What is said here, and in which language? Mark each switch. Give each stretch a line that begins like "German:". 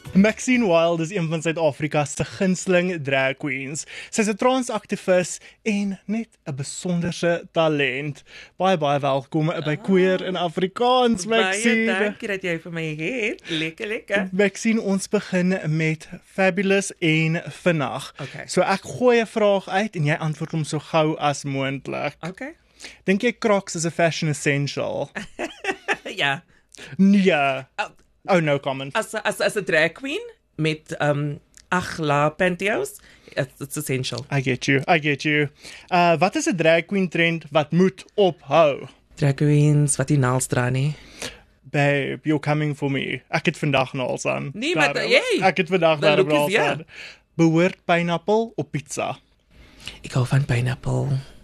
Afrikaans: Maxine Wilde is een van Suid-Afrika se gunsteling drag queens. Sy is 'n transaktivis en net 'n besonderse talent. Baie baie welkom by Queer in Afrikaans, Maxine. Baie dankie dat jy vir my het. Lekker, lekker. Maxine, ons begin met Fabulous en Vinnig. Okay. So ek gooi 'n vraag uit en jy antwoord hom so gou as moontlik. Okay. Dink jy Crocs is
English: a fashion essential?
Afrikaans: Ja.
English: Ja. Oh, no comment. As a drag queen met achla pantyhose, it's essential. I get you.
Afrikaans: Wat is 'n drag queen trend wat moet ophou? Drag queens, wat die naals dra nie.
English: Babe, you're coming for me.
Afrikaans: Ek het vandag naals aan. Nee, maar jy. Ek het vandag daar naals aan. Behoort pineapple op pizza? Ek hou van pineapple.